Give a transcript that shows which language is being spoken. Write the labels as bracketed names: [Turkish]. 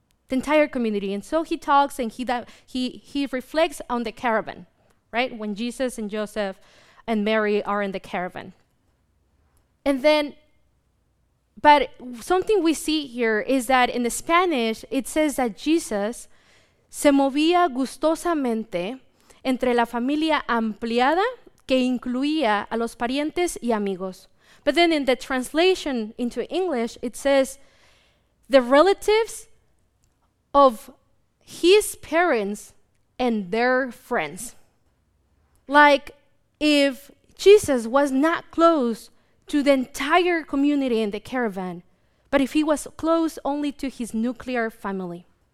[English] And so he talks and he reflects on the caravan, right? When Jesus and Joseph and Mary are in the caravan. But something we see here is that in the Spanish, it says that Jesus [Spanish] se movía gustosamente entre la familia ampliada que incluía a los parientes y amigos. [English] But then in the translation into English, it says, the relatives of his parents and their friends. Like if Jesus was not close to the entire community in the caravan, but if he was close only to his nuclear family.